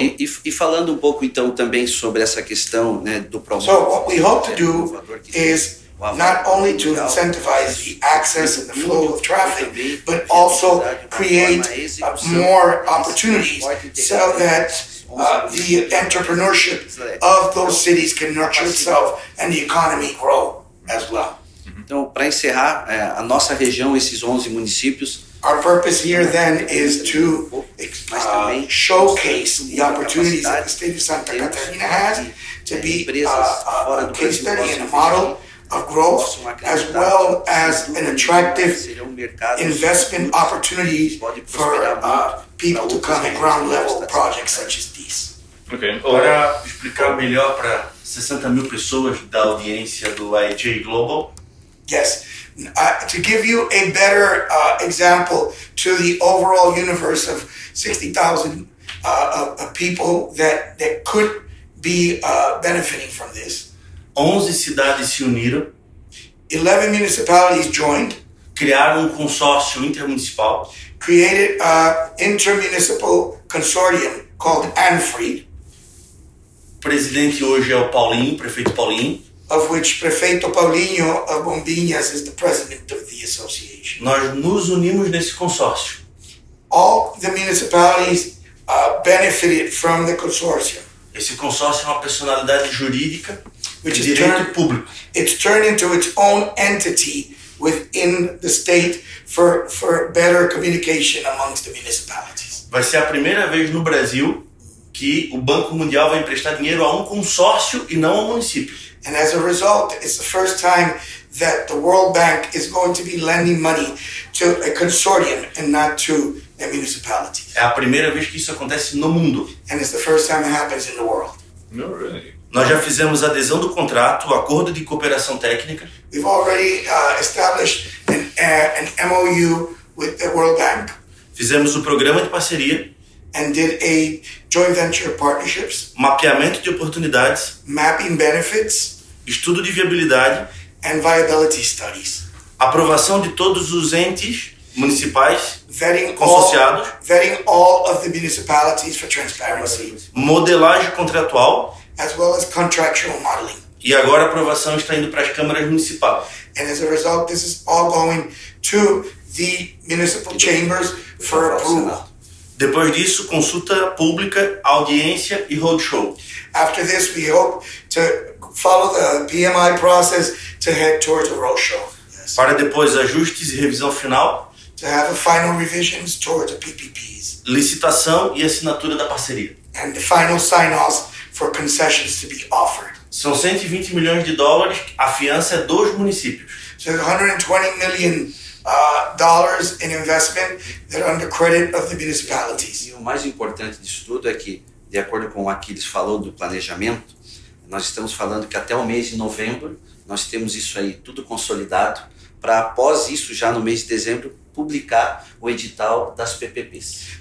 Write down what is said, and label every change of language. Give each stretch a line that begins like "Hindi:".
Portuguese: E falando pouco então também sobre essa questão, né, do programa.
English: So what we hope to do is not only to incentivize the access and the flow of traffic, but also create more opportunities so that the entrepreneurship of those cities can nurture itself and the economy grow as well.
Portuguese: Então, para encerrar, a nossa região, esses 11 municípios,
English: Our purpose here then is to showcase the opportunities that the state of Santa Catarina has to be a case study and a model of growth, as well as an attractive investment opportunity for people to come at ground level projects such as these. Okay.
Portuguese: Para explicar melhor para 60 mil pessoas da audiência do IJ Global.
English: Yes. To give you a better example to the overall universe of 60,000 people that could be benefiting from this.
Portuguese: 11 cidades se uniram.
English: 11 municipalities joined.
Portuguese: Criaram consórcio intermunicipal.
English: Created an intermunicipal consortium called AMFRI.
Portuguese: Presidente hoje é o Paulinho, prefeito Paulinho.
English: Of which Prefeito Paulinho of Bombinhas is the president of the association.
Portuguese: Nós nos unimos nesse consórcio.
English: All the municipalities benefited from the consortium.
Portuguese: Esse consórcio é uma personalidade jurídica de direito público.
English: It's turned into its own entity within the state for better communication amongst the municipalities.
Portuguese: Vai ser a primeira vez no Brasil que o Banco Mundial vai emprestar dinheiro a consórcio e não ao município.
English: And as a result, it's the first time that the World Bank is going to be lending money to a consortium and not to a municipality.
Portuguese: É a primeira vez que isso acontece no mundo.
English: And it's the first time it happens in the world. No, really.
Portuguese: Nós já fizemos adesão do contrato, acordo de cooperação técnica.
English: We've already established an MOU with the World Bank.
Portuguese: Fizemos o programa de parceria.
English: And did a joint venture partnerships,
Portuguese: mapeamento de oportunidades,
English: mapping benefits,
Portuguese: estudo de viabilidade,
English: and viability studies,
Portuguese: aprovação de todos os entes municipais,
English: vetting
Portuguese: consorciados,
English: vetting all of the municipalities for transparency,
Portuguese: modelagem contratual,
English: as well as contractual modeling.
Portuguese: E agora a aprovação está indo para as câmaras municipais.
English: And as a result, this is all going to the municipal chambers for approval.
Portuguese: Depois disso, consulta pública, audiência e roadshow.
English: After this, we hope to follow the PMI process to head towards a roadshow. Yes.
Portuguese: Para depois, ajustes e revisão final.
English: To have a final revisions towards the PPPs.
Portuguese: Licitação e assinatura da parceria.
English: And the final sign-offs for concessions to be offered.
Portuguese: São 120 milhões de dólares, a fiança é dos municípios.
English: So 120 million dollars in investment that are under credit of the municipalities.
Portuguese: E o mais importante disso tudo é que, de acordo com o Aquiles falou do planejamento, nós estamos falando que até o mês de novembro nós temos isso aí tudo consolidado para após isso, já no mês de dezembro, publicar o edital das PPPs.